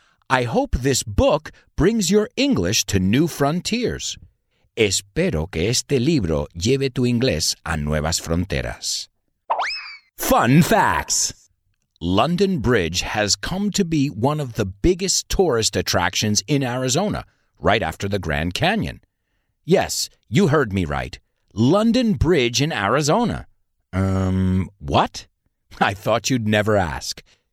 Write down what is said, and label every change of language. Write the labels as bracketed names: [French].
[English] I hope this book brings your English to new frontiers. [Spanish] Espero que este libro lleve tu inglés a nuevas fronteras. [English] Fun facts! London Bridge has come to be one of the biggest tourist attractions in Arizona, right after the Grand Canyon. Yes, you heard me right. London Bridge in Arizona. What? I thought you'd never ask.